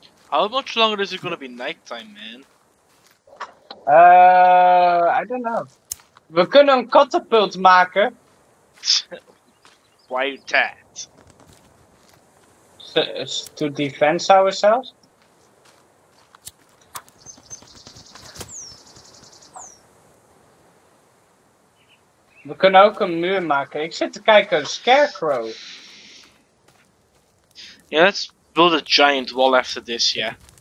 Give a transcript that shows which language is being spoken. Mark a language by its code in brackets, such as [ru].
[en] How much longer is it gonna be nighttime, man? I don't know. [nl] We kunnen een catapult maken. [en] Why that? To defend ourselves? [nl] We kunnen ook een muur maken. Ik zit te kijken, een scarecrow. [en] Yeah, let's build a giant wall after this, yeah.